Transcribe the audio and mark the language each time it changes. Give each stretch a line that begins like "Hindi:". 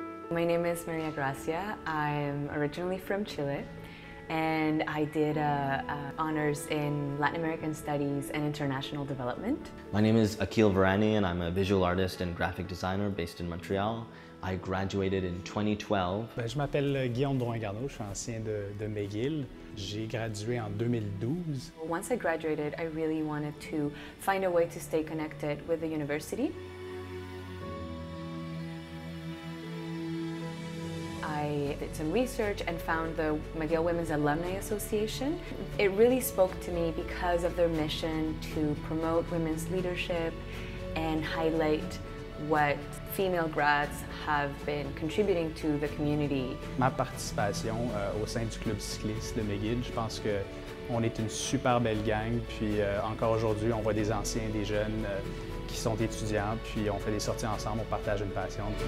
English: My name is Maria Gracia. I'm originally from Chile, and I did honors in Latin American Studies and International Development. My name is Akhil Varani, and I'm a visual artist and graphic designer based in Montreal. I graduated in 2012.
French: Je m'appelle Guillaume Drouin-Garneau, je suis ancien de McGill. J'ai gradué en 2012.
English: Once I graduated, I really wanted to find a way to stay connected with the university. I did some research and found the McGill Women's Alumni Association. It really spoke to me because of their mission to promote women's leadership and highlight what female grads have been contributing to the community.
French: Ma participation au sein du club cycliste de McGill, je pense que on est une super belle gang. Puis encore aujourd'hui, on voit des anciens, des jeunes qui sont étudiants. Puis on fait des sorties ensemble, on partage une passion.